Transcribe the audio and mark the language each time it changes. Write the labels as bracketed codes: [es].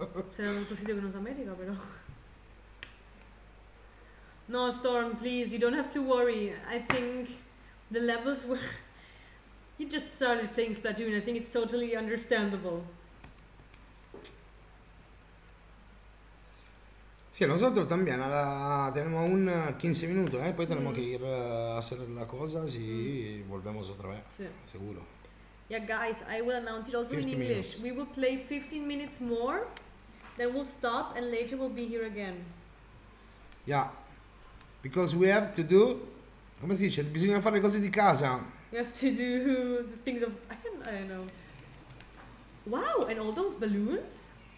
[it] Sarà un altro sito che non è America, però. [en] No, Storm, please, you don't have to worry. I think the levels were... You just started playing Splatoon. I think it's totally understandable. [es] Sì, nosotros también. Tenemos un 15 minutos, [it] poi [es] tenemos que ir a hacer la cosa, sí, volvemos otra vez. Sí. Seguro. [en] Yeah, guys, I will announce it also in English. Minutes. We will play 15 minutes more, then we'll stop, and later we'll be here again. Because we have to do, [it] come si dice, bisogna fare le cose di casa. [en] We have to do the things of, I don't know. Wow, and all those balloons?